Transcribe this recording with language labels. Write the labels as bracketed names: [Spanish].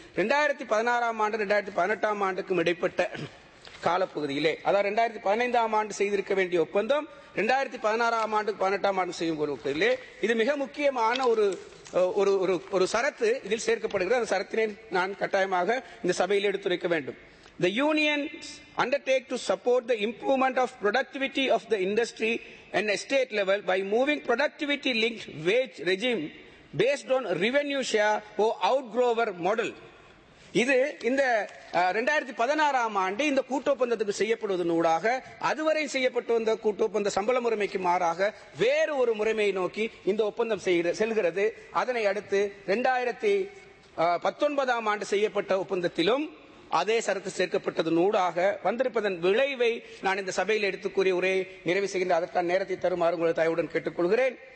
[Tamil] 2016 2018 இடைப்பட்ட காலப்பகுதியிலே, அதாவது 2015 செய்திருக்க வேண்டிய ஒப்பந்தம் 2016 செய்யும் பொருட்களிலே இது மிக முக்கியமான ஒரு ஒரு சரத்து இதில் சேர்க்கப்படுகிறது. அந்த சரத்தினை நான் கட்டாயமாக இந்த சபையில் எடுத்துரைக்க வேண்டும். [English] The unions undertake to support the improvement of productivity of the industry and state level by moving productivity-linked wage regime based on revenue share or outgrower model. [Tamil] இது இந்த 2016 ஆண்டு இந்த கூட்டு ஒப்பந்தத்துக்கு செய்யப்படுவது நூடாக அதுவரை செய்யப்பட்டு வந்த கூட்டு ஒப்பந்த சம்பள முறைமைக்கு மாறாக வேறு ஒரு முறைமையை நோக்கி இந்த ஒப்பந்தம் செல்கிறது. அதனை அடுத்து 2019 ஆண்டு செய்யப்பட்ட ஒப்பந்தத்திலும் அதே சரத்து சேர்க்கப்பட்டது நூடாக வந்திருப்பதன் விளைவை நான் இந்த சபையில் எடுத்துக்கூறி உரை நிறைவு செய்கின்ற அதற்கான நேரத்தை தருமாறு உங்களை தயவுடன் கேட்டுக்கொள்கிறேன்.